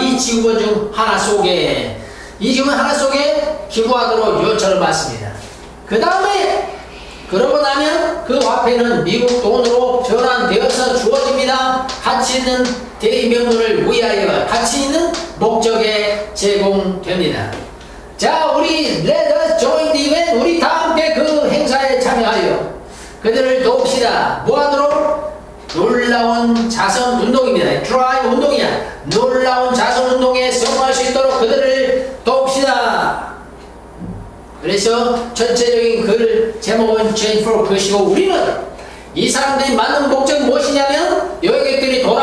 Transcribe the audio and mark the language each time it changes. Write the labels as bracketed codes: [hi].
[ko] 이 지구본 중 하나 속에. 이 지구본 하나 속에 기부하도록 요청을 받습니다. 그 다음에, 그러고 나면 그 화폐는 미국 돈으로 전환되어서 주어집니다. 가치 있는 대의명분을 위하여 가치 있는 목적에 제공됩니다. 자, 우리 [en] Let us join the event. [ko] 우리 다 함께 그 행사에 참여하여 그들을 도웁시다. 뭐하도록? 놀라운 자선 운동입니다. 드라이브 운동이야. 놀라운 자선 운동에 성공할 수 있도록 그들을 돕시다. 그래서 전체적인 글 제목은 Change for Good이고 우리는 이 사람들이 맞는 목적이 무엇이냐면 여행객들이